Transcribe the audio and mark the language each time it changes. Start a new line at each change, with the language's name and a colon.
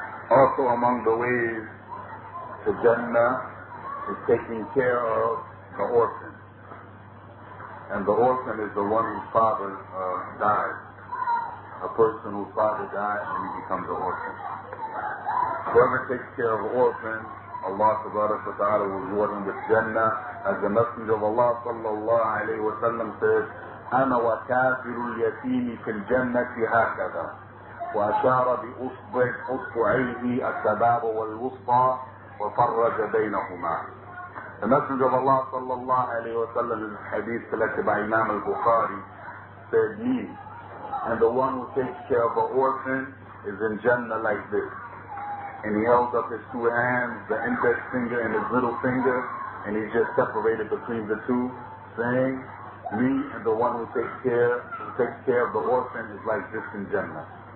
English: Also among the ways to Jannah is taking care of the orphan. And the orphan is the one whose father died. A person whose father died and he becomes an orphan. Whoever takes care of an orphan, Allah subhanahu wa ta'ala will reward him with Jannah. As the Messenger of Allah sallallahu alayhi wa sallam says,
Arabic: أَنَا وَكَافِرُ الْيَتِيمِ فِي الْجَنَّةِ هَكَذَا وَأَشَارَ بِأُصْبُعَيْهِ السَّبَابَ وَالْوُسْطَى وَفَرَّجَ بَيْنَهُمَا.
English: The Messenger of Allah sallallahu alayhi wa sallam in hadith selected by Imam al-Bukhari said, me and the one who takes care of an orphan is in Jannah like this. And he held up his two hands, the index finger and his little finger, and he just separated between the two, saying, me and the one who takes care of the orphan is like this in Jannah.